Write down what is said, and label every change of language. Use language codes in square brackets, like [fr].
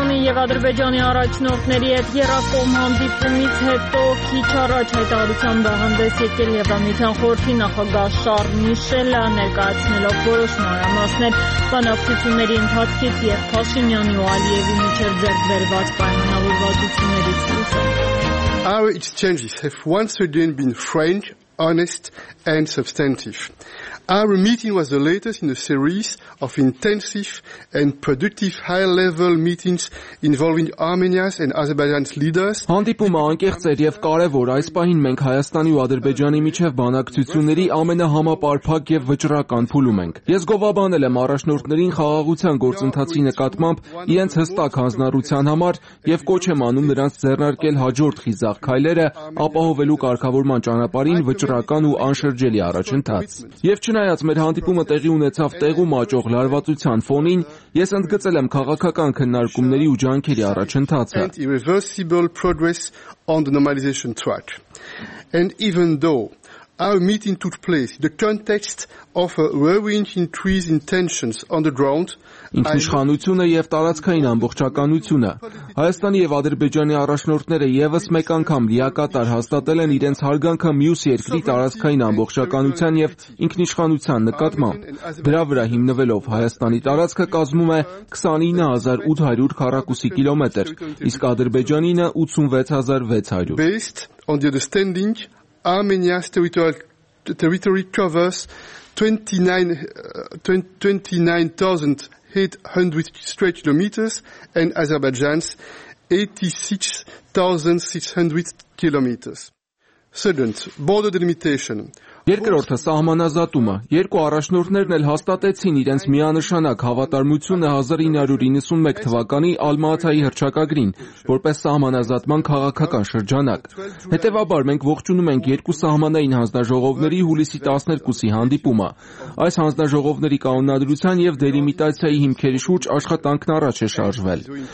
[hy] Եվ Ադրբեջանի առաջնորդների հետ երկկողմ հանդիպումից հետո քիչ առաջ հայտարարության հանդես եկել Եվրամիության խորհրդի նախագահ Շառլ Միշելը, ներկայացնելով որոշ մանրամասներ բանակցությունների ընթացքից և Փաշինյանի ու Ալիևի միջև ձեռք բերված պայմանավորվածություններից։ [en] How it changes have once again been frank, honest and substantive. Our meeting was the latest in a series of intensive and productive high-level meetings involving Armenia's and Azerbaijan's leaders. [hy] Հանդիպումը անկեղծ էր եւ կարեւոր, այս պահին մենք Հայաստանի ու Ադրբեջանի միջև բանակցությունների ամենահամապարփակ եւ վճռական փուլում ենք։ Ես գովաբանել եմ առաջնորդներին խաղաղության գործընթացի նկատմամբ իրենց հստակ հանձնառության համար եւ կոչ եմ անում նրանց ձեռնարկել հաջորդ խիզախ քայլերը ապահովելու կարգավորման ճանապարհին վճռ սրական ու անշրջելի առաջընթաց։ Եվ չնայած մեր հանդիպումը տեղի ունեցավ տեղում աճող լարվածության ֆոնին, ես ընդգծել եմ քաղաքական քննարկումների ու ջանքերի առաջընթացը։ [en] Our meeting took place in the context of a worrying increase in tensions on the ground. [hy] Ինքնիշխանությունը եւ տարածքային ամբողջականությունը Հայաստանի եւ Ադրբեջանի առաջնորդները եւս մեկ անգամ լիակատար հաստատել են իրենց հարգանքը մյուս երկրի տարածքային ամբողջականության եւ ինքնիշխանության նկատմամբ։ Դրա վրա հիմնվելով Հայաստանի տարածքը կազմում է 29800 քառակուսի կիլոմետր, իսկ Ադրբեջանինը 86600։ [en] Based on the understanding, Armenia's territory covers 29,800 square kilometers and Azerbaijan's 86,600 kilometers. Second, border delimitation. [hy] Երկրորդը սահմանազատումը։ Երկու առաջնորդներն էլ հաստատեցին իրենց միանշանակ հավատարմությունը 1991 թվականի Ալմաաթայի հռչակագրին, որպես սահմանազատման քաղաքական շրջանակ։ Հետևաբար մենք ողջունում ենք երկու սահմանային հանձնաժողովների հուլիսի 12-ի հանդիպումը։ Այս հանձնաժողովների կանոնադրության եւ դելիմիտացիայի հիմքերի շուրջ աշխատանքն առաջ է շարժվել։